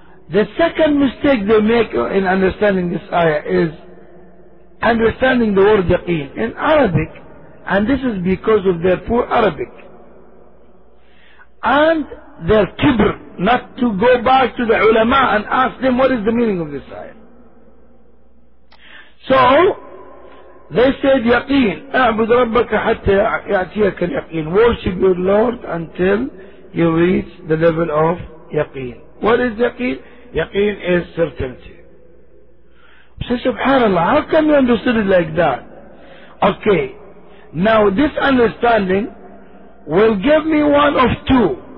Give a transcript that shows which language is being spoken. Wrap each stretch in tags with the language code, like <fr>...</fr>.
<en>The second mistake they make in understanding this ayah is understanding the word yaqeen in Arabic, and this is because of their poor Arabic and their kibr, not to go back to the ulama and ask them what is the meaning of this ayah. So they said yaqeen,</en> <ar>اعبد ربك حتى يأتيك اليقين.</ar> <en>Worship your Lord until you reach the level of yaqeen. What is yaqeen? Yaqeen is certainty. So subhanAllah, how can you understand it like that? Okay, now this understanding will give me one of two.</en>